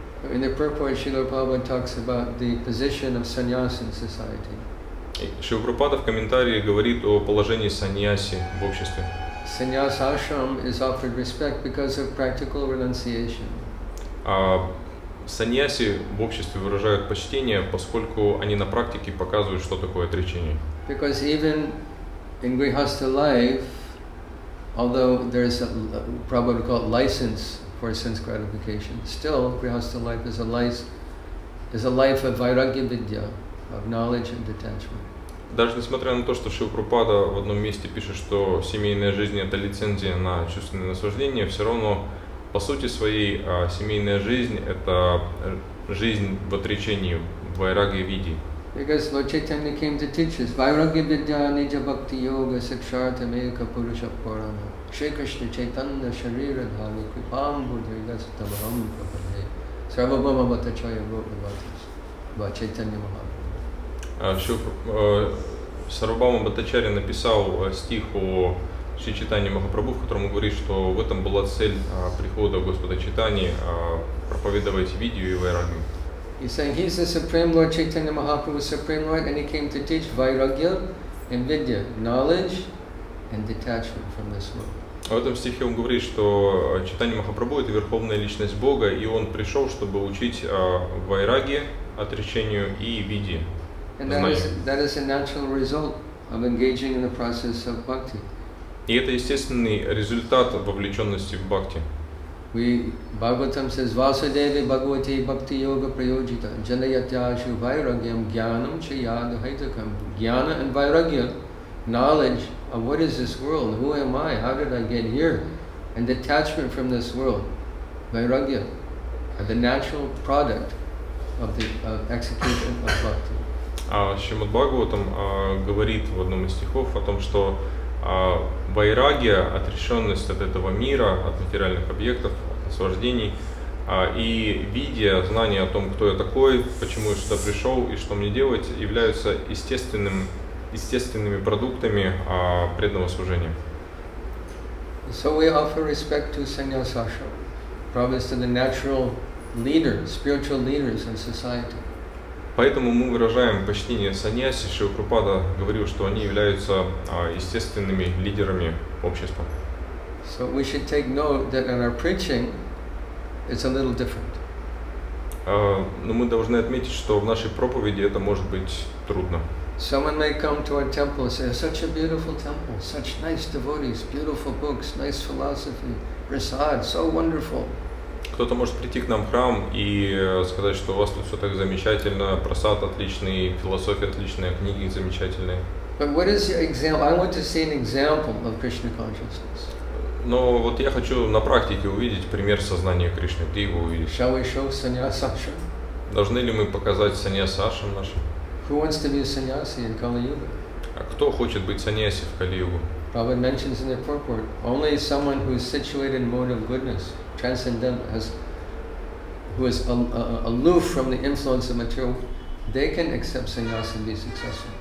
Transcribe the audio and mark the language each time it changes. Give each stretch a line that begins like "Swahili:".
English: In the Purport, Srila Prabhupada talks about the position of sannyasi in society.
Russian: Шрила Прабхупада в комментарии говорит о положении саньяси в обществе.
English: Sannyas ashram is offered respect because of practical renunciation.
Russian: А саньяси в обществе выражают почтение, поскольку они на практике показывают, что такое отречение.
English: Because even in grihastha life, although there is a Prabhupada called license for sense gratification, still grihastha life is a life of vairagya vidya, of knowledge and detachment.
Russian: Даже несмотря на то, что Шрила Прабхупада в одном месте пишет, что семейная жизнь это лицензия на чувственное наслаждение, все равно по сути своей семейная жизнь это жизнь в отречении, в вайрагья виде.
English: Because Lord Chaitanya came to teach us
Sanskrit: vairagya vidya nija bhakti yoga siksharta meka purusha purana Shri Krishna Chaitanya sharira dhani kripam buddhi dasata maham kapadhe sarvabhama matachaya vrota vatis va Chaitanya Mahaprabhu.
Russian: Сарвабхаума Бхаттачарья написал стих о Шри Чайтанье Махапрабху, в котором он говорит, что в этом была цель прихода Господа Чайтаньи проповедовать видью и вайрагью.
English: He said, he's the Supreme Lord Chaitanya Mahaprabhu, Supreme Lord, and he came to teach vairagya and vidya, knowledge and detachment from this world.
Russian: В этом стихе он говорит, что Чайтанья Махапрабху – это верховная личность Бога, и он пришел, чтобы учить вайрагье, отречению и видье.
English: And that is a natural result of engaging in the process of bhakti.
Russian: И это естественный результат вовлеченности в бхакти.
English: We Bhagavatam says
Sanskrit: Vasudeva Bhagavati Bhakti Yoga Prayojita Janayatyashu Vairagyam Jnanam Chayadhaitakam.
English: Jnana and Vairagya, knowledge of what is this world, who am I, how did I get here, and detachment from this world, Vairagya, are the natural product of the execution of bhakti.
Russian: Шримад Бхагаватам говорит в одном из стихов о том, что вайрагья, отрешенность от этого мира, от материальных объектов, от наслаждений, и видья, знание о том, кто я такой, почему я сюда пришел и что мне делать, являются естественными продуктами преданного служения.
English: So we offer respect to sannyasashram, promised to the natural leader, spiritual leaders in society.
Russian: Поэтому мы выражаем почтение саньяси. Шрила Прабхупада говорил, что они являются естественными лидерами общества.
English: So we should take note that in our preaching it's a little different.
Russian: Но мы должны отметить, что в нашей проповеди это может быть трудно.
English: Someone may come to our temple and say, such a beautiful temple, such nice devotees, beautiful books, nice philosophy, prasad, so wonderful.
Russian: Кто-то может прийти к нам в храм и сказать, что у вас тут все так замечательно, просад отличный, философия отличная, книги замечательные.
English: But what is the example? I want to see an example of Krishna consciousness.
Russian: Но вот я хочу на практике увидеть пример сознания Кришны. Ты его увидишь.
English: Shall we show sannyasashram?
Russian: Должны ли мы показать sannyasashram нашим?
English: Who wants to be a sannyasi in Kali Yuga?
Russian: А кто хочет быть sannyasi в Kali Yuga?
English: Prabhupada mentions in the purport, only someone who is situated in mode of goodness. Transcendent, who is aloof from the influence of material, they can accept sannyas and be successful.